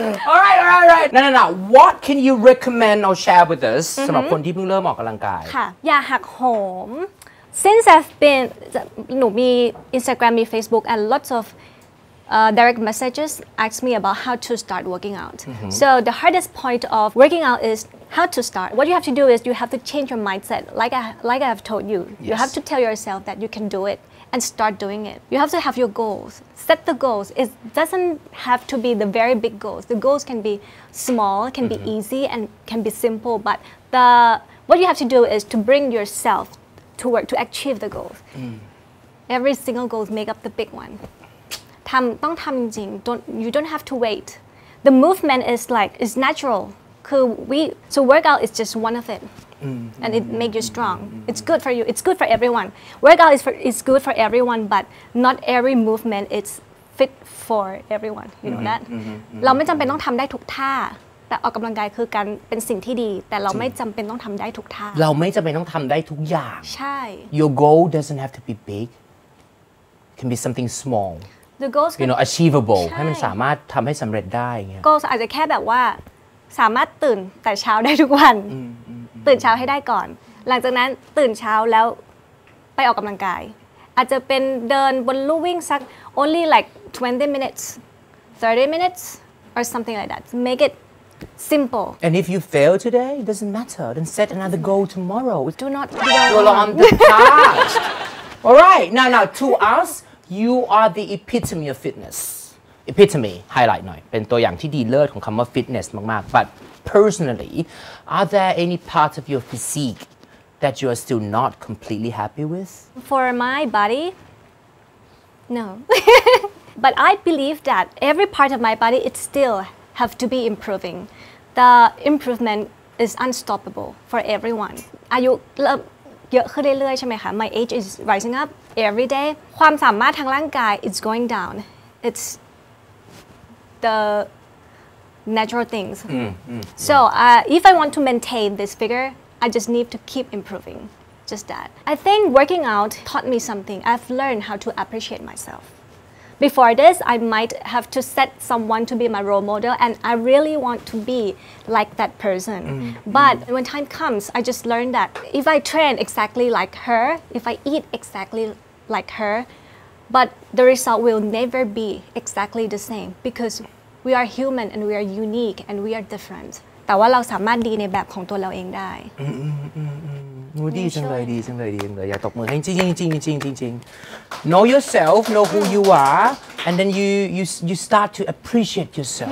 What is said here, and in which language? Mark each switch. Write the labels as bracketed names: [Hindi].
[English] All right. No. What can you recommend or share with us [Thai] สำหรับคนที่เพิ่งเริ่มออกกำลังกาย ค่ะอย่าหักโหม [English] Since I've been [Thai] หนูมี [English] Instagram มี Facebook and lots of direct messages ask me about how to start working out So the hardest point of working out is how to start What you have to do is you have to change your mindset like I have told you You have to tell yourself that you can do itAnd start doing it. You have to have your goals. Set the goals. It doesn't have to be the very big goals. The goals can be small, can be easy, and can be simple. But the what you have to do is to bring yourself to work to achieve the goals. Every single goal make up the big one. Tam, don't tam jing. You don't have to wait. The movement is like it's natural. So workout is just one of it. And it makes you strong. It's good for you. It's good for everyone. Workout is good for everyone, but not every movement is fit for everyone. You know that? [Thai] เราไม่จำเป็นต้องทำได้ทุกท่าแต่ออกกำลังกายคือการเป็นสิ่งที่ดีแต่เราไม่จำเป็นต้องทำได้ทุกท่า เราไม่จำเป็นต้องทำได้ทุกอย่าง ใช่ [English] Your goal doesn't have to be big. Can be something small. The goals you know achievable [Thai] ให้มันสามารถทำให้สำเร็จได้ Goals อาจจะแค่แบบว่าสามารถตื่นแต่เช้าได้ทุกวันตื่นเช้าให้ได้ก่อนหลังจากนั้นตื่นเช้าแล้วไปออกกำลังกายอาจจะเป็นเดินบนลู่วิ่งสัก [English] only like 20 minutes 30 minutes or something like that make it simple and if you fail today it doesn't matter then set another goal tomorrow do not dwell on the past all right now to us you are the epitome of fitness epitome highlight [Thai] หน่อยเป็นตัวอย่างที่ดีเลิศของคำว่า [English] fitness มากๆ butPersonally, are there any parts of your physique that you are still not completely happy with? For my body, no. But I believe that every part of my body, it still have to be improving. The improvement is unstoppable for everyone. [Thai] อายุเยอะขึ้นเรื่อยๆใช่ไหมคะ [English] My age is rising up every day. [Thai] ความสามารถทางร่างกาย [English] is going down. It's the... natural things. So if I want to maintain this figure, I just need to keep improving. Just that. I think working out taught me something. I've learned how to appreciate myself. Before this, I might have to set someone to be my role model and I really want to be like that person. But when time comes, I just learned that if I train exactly like her, if I eat exactly like her, but the result will never be exactly the same because We are human and we are unique and we are different. [Thai] แต่ว่าเราสามารถดีในแบบของตัวเราเองได้ ดีจังเลยดีจังเลยดีจังเลยอย่าตกมือให้จริงจริงจริงจริงจริง [English] Know yourself, know who you are, and then you start to appreciate yourself.